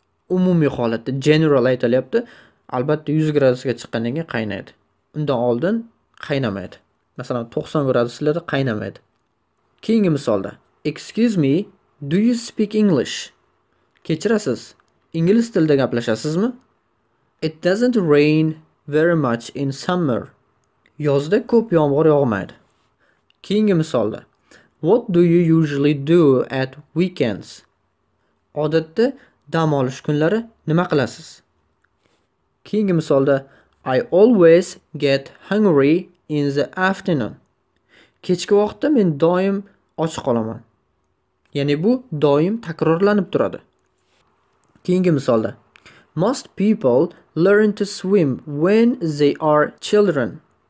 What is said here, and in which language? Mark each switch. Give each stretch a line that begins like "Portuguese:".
Uzbek: Umumiy holatda general aytilyapti. Albatta 100 gradusga chiqqandan keyin qaynaydi. Undan oldin qaynamaydi. Masalan 90 gradusda qaynamaydi. Keyingi misolda
English: excuse me, do you speak English?
Uzbek: Kechirasiz, ingliz tilida gaplashasizmi?
English: It doesn't rain very much in summer.
Uzbek: Yozda ko'p yomg'ir yog'maydi. Keyingi misolda,
English: what do you usually do at weekends?
Uzbek: Odatda dam olish kunlari nima qilasiz? Keyingi misolda,
English: I always get hungry in the afternoon.
Uzbek: Kechki vaqtda men doim och qolaman. Ya'ni bu doim takrorlanib turadi. Keyingi misolda.
English: Most people learn to swim when they are children.